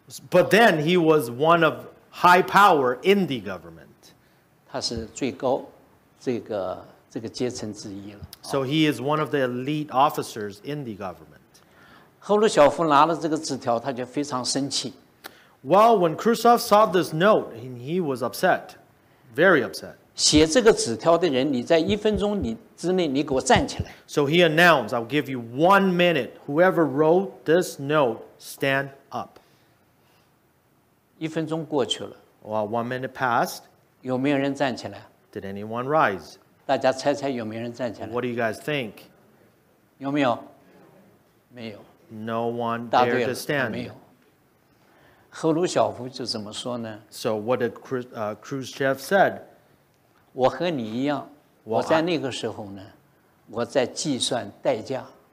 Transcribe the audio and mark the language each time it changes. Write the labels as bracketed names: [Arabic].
[English] But then he was one of high power in the government. [Chinese] 他是最高这个阶层之一了。 [English] So he is one of the elite officers in the government. [Chinese] 赫鲁晓夫拿了这个纸条，他就非常生气。 [English] Well, when Khrushchev saw this note, he was upset, very upset. [Chinese] 写这个纸条的人，你在一分钟之内，你给我站起来。 [English] So he announced, "I'll give you 1 minute. Whoever wrote this note, stand up." [Chinese] 一分钟过去了。 [English] Well, 1 minute passed. [Chinese] 有没有人站起来？ [English] Did anyone rise? [Chinese] 大家猜猜有没有人站起来？ [English] What do you guys think? [Chinese] 有没有？没有。 [English] No one dared to stand. [Chinese] 没有。赫鲁晓夫就怎么说呢？ [English] So what did Khrushchev said? [Chinese] 我和你一样，我在那个时候呢，我在计算代价。